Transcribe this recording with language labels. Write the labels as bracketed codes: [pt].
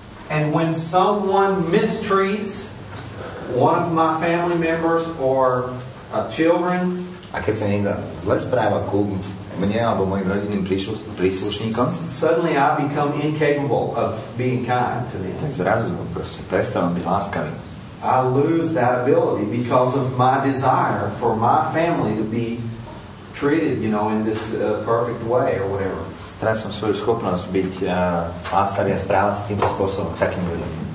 [en] And when someone mistreats one of my family members or a children, [sk] a keď sa niekto zle správa ku mne alebo mojim rodinným príslušníkom, [en] suddenly I become incapable of being kind to them. [sk] Tak zrazu proste prestávam byť láskavý. [en] I lose that ability because of my desire for my family to be treated, you know, in this perfect way or whatever. [sk] Strácam svoju schopnosť byť láskavý a správať sa týmto spôsobom takým ľuďom.